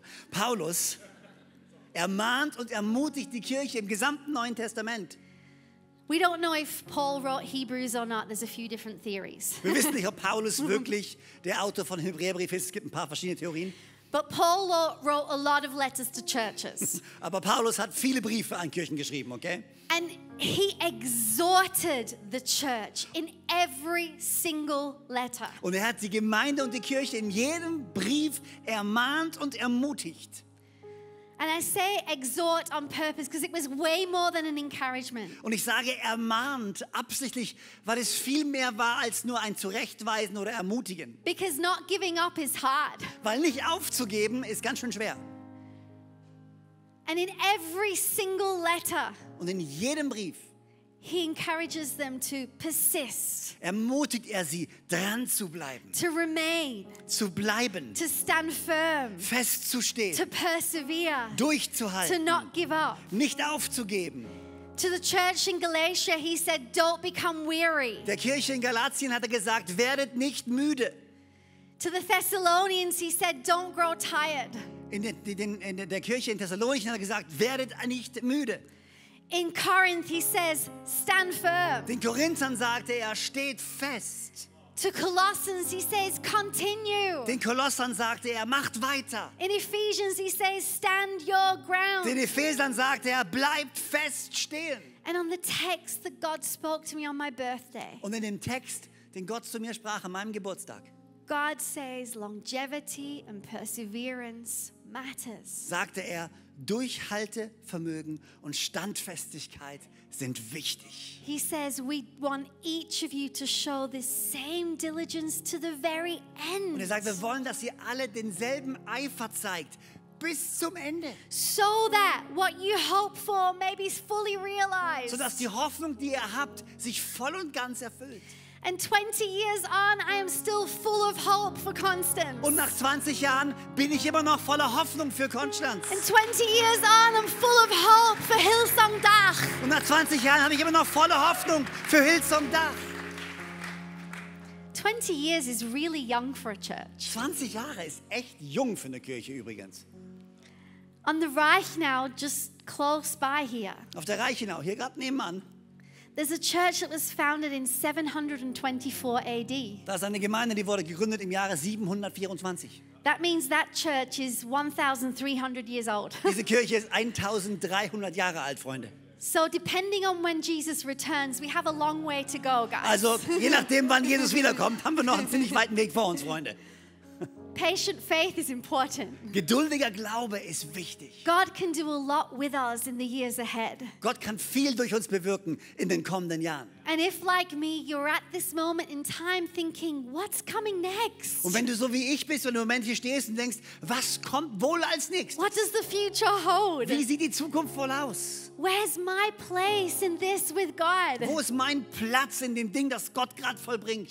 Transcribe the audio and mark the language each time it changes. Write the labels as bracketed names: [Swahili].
[German] Paulus ermahnt und ermutigt die Kirche im gesamten Neuen Testament. [English] We don't know if Paul wrote Hebrews or not. There's a few different theories. [German] Wir wissen nicht, ob Paulus wirklich der Autor von Hebräerbrief ist. Es gibt ein paar verschiedene Theorien. [English] But Paul wrote a lot of letters to churches. [German] Aber Paulus hat viele Briefe an Kirchen geschrieben, okay? [English] And he exhorted the church in every single letter. [German] Und er hat die Gemeinde und die Kirche in jedem Brief ermahnt und ermutigt. [English] And I say exhort on purpose because it was way more than an encouragement. [German] Und ich sage ermahnt absichtlich, weil es viel mehr war als nur ein Zurechtweisen oder Ermutigen. [English] Because not giving up is hard. [German] Weil nicht aufzugeben ist ganz schön schwer. [English] And in every single letter. [German] Und in jedem Brief. [English] He encourages them to persist. [German] Ermutigt er sie, dran zu bleiben. [English] To remain. [German] Zu bleiben. [English] To stand firm. [German] Festzustehen. [English] To persevere. [German] Durchzuhalten. [English] To not give up. [German] Nicht aufzugeben. [English] To the church in Galatia, he said, "Don't become weary." [German] Der Kirche in Galatien hat er gesagt, werdet nicht müde. [English] To the Thessalonians, he said, "Don't grow tired." [German] In der Kirche in Thessalonien hat er gesagt, werdet nicht müde. [English] In Corinth, he says, stand firm. [German] Den Korinthern sagte er, steht fest. [English] To Colossians, he says, continue. [German] Den Kolossern sagte er, macht weiter. [English] In Ephesians, he says, stand your ground. [German] Den Ephesern sagte er, bleibt fest stehen. [English] And on the text that God spoke to me on my birthday. [German] Und in dem Text, den Gott zu mir sprach an meinem Geburtstag. [English] God says, longevity and perseverance matters. [German] Sagte er, Durchhaltevermögen und Standfestigkeit sind wichtig. [English] He says we want each of you to show the same diligence to the very end. [German] Und er sagt, wir wollen, dass ihr alle denselben Eifer zeigt bis zum Ende. [English] So that what you hope for may be fully realized. [German] So dass die Hoffnung, die ihr habt, sich voll und ganz erfüllt. [English] And 20 years on, I am still full of hope for Constance. [German] Und nach 20 Jahren bin ich immer noch voller Hoffnung für Constance. [English] And 20 years on, I'm full of hope for Hillsong Dach. [German] Und nach 20 Jahren habe ich immer noch volle Hoffnung für Hillsong Dach. [English] 20 years is really young for a church. [German] 20 Jahre ist echt jung für eine Kirche übrigens. [English] On the Reichenau, just close by here. [German] Auf der Reichenau, hier gerade nebenan. [English] There's a church that was founded in 724 AD. [German] Das ist eine Gemeinde, die wurde gegründet im Jahre 724. [English] That means that church is 1300 years old. [German] Diese Kirche ist 1300 Jahre alt, Freunde. [English] So depending on when Jesus returns, we have a long way to go, guys. [German] Also, je nachdem wann Jesus wiederkommt, haben wir noch einen ziemlich weiten Weg vor uns, Freunde. [English] Patient faith is important. [German] Geduldiger Glaube ist wichtig. [English] God can do a lot with us in the years ahead. [German] Gott kann viel durch uns bewirken in den kommenden Jahren. [English] And if like me you're at this moment in time thinking what's coming next? [German] Und wenn du so wie ich bist und im Moment hier stehst und denkst, was kommt wohl als nächstes? [English] What does the future hold? [German] Wie sieht die Zukunft wohl aus? [English] Where's my place in this with God? [German] Wo ist mein Platz in dem Ding, das Gott gerade vollbringt?